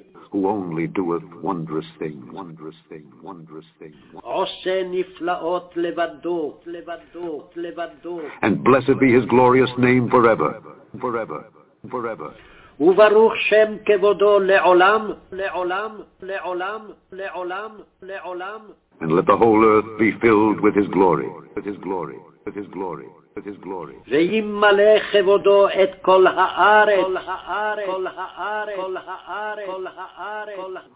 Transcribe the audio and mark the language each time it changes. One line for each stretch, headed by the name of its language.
English: who only doeth wondrous thing, wondrous thing, wondrous thing.
Hebrew: Ose niflaot levado, levado, levado.
English: And blessed be his glorious name forever, forever, forever.
Hebrew: וברוך שם כבודו לעולם, לעולם, לעולם, לעולם, לעולם.
English: And let the whole earth be filled with his glory, with his glory, with his glory, with his glory.
Hebrew: וימלא כבודו את כל הארץ, כל הארץ, כל הארץ, כל הארץ, כל הארץ.